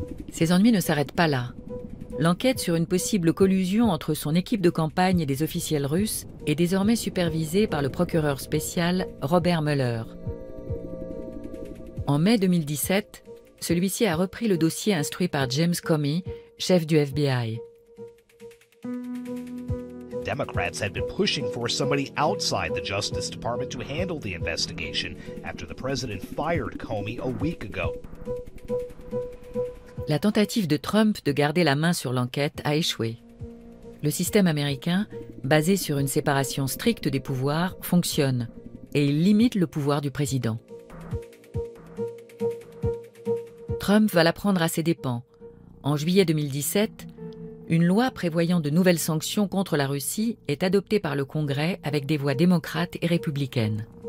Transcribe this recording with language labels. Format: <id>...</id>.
<fr>Ses ennuis ne s'arrêtent pas là. L'enquête sur une possible collusion entre son équipe de campagne et des officiels russes est désormais supervisée par le procureur spécial Robert Mueller. En mai 2017, celui-ci a repris le dossier instruit par James Comey, chef du FBI.</fr> <en>Democrats had been pushing for somebody outside the Justice Department to handle the investigation after the president fired Comey a week ago.</en> <fr>La tentative de Trump de garder la main sur l'enquête a échoué. Le système américain, basé sur une séparation stricte des pouvoirs, fonctionne et il limite le pouvoir du président. Trump va l'apprendre à ses dépens. En juillet 2017, une loi prévoyant de nouvelles sanctions contre la Russie est adoptée par le Congrès avec des voix démocrates et républicaines.</fr>